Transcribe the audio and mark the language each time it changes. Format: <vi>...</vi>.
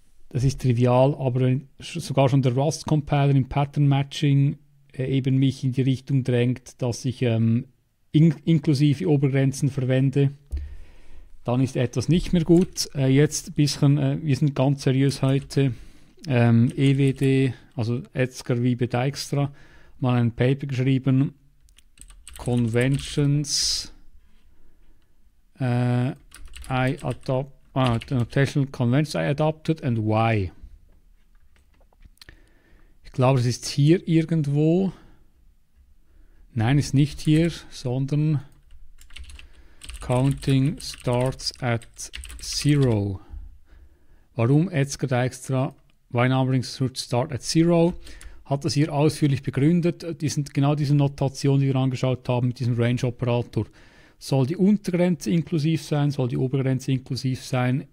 <de>Das ist trivial, aber sogar schon der Rust-Compiler im Pattern-Matching eben mich in die Richtung drängt, dass ich inklusive Obergrenzen verwende. Dann ist etwas nicht mehr gut. Jetzt ein bisschen, wir sind ganz seriös heute. EWD, also Edsger Wiebe Dijkstra, mal ein Paper geschrieben.</de> <en>Conventions I adopt, notational conventions I adopted and why.</en> <de>Ich glaube, es ist hier irgendwo. Nein, es ist nicht hier, sondern</de> <en>Counting starts at zero.</en> <de>Warum Edsger Dijkstra?</de> <en>Why numbering should start at zero?</en> <de>Hat das hier ausführlich begründet. Die sind genau diese Notation, die wir angeschaut haben mit diesem Range-Operator. Soll die Untergrenze inklusiv sein? Soll die Obergrenze inklusiv sein?</de>